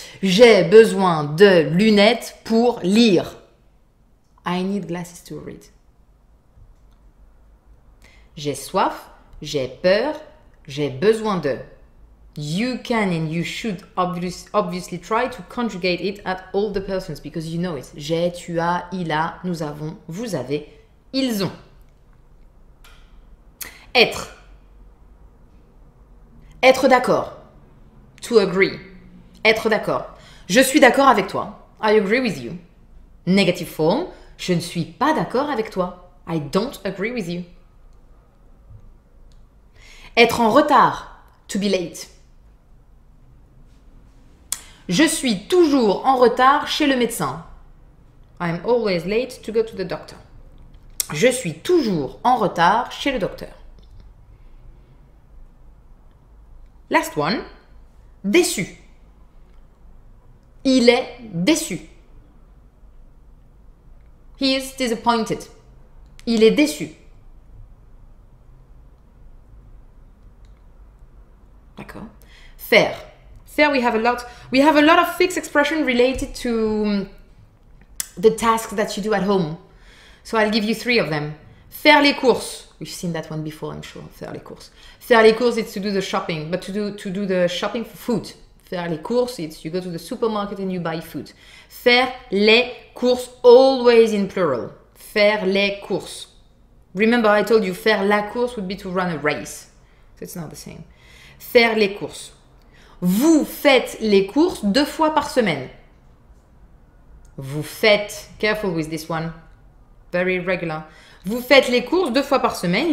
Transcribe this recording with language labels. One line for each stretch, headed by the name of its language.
French: J'ai besoin de lunettes pour lire.
English: I need glasses to read.
French: J'ai soif, j'ai peur, j'ai besoin de.
English: You can and you should obviously try to conjugate it at all the persons because you know it.
French: J'ai, tu as, il a, nous avons, vous avez, ils ont. Être. Être d'accord.
English: To agree.
French: Être d'accord. Je suis d'accord avec toi.
English: I agree with you. Negative form.
French: Je ne suis pas d'accord avec toi.
English: I don't agree with you.
French: Être en retard.
English: To be late.
French: Je suis toujours en retard chez le médecin.
English: I'm always late to go to the doctor.
French: Je suis toujours en retard chez le docteur.
English: Last one.
French: Déçu. Il est déçu.
English: He is disappointed.
French: Il est déçu.
English: D'accord. Faire. Faire, we have a lot. We have a lot of fixed expression related to the tasks that you do at home. So I'll give you three of them. Faire les courses. We've seen that one before, I'm sure. Faire les courses. Faire les courses, it's to do the shopping. But to do the shopping for food. Faire les courses, it's you go to the supermarket and you buy food. Faire les courses, always in plural. Faire les courses. Remember, I told you, faire la course would be to run a race. So it's not the same. Faire les courses.
French: Vous faites les courses deux fois par semaine. Vous faites,
English: careful with this one, very regular.
French: Vous faites les courses deux fois par semaine.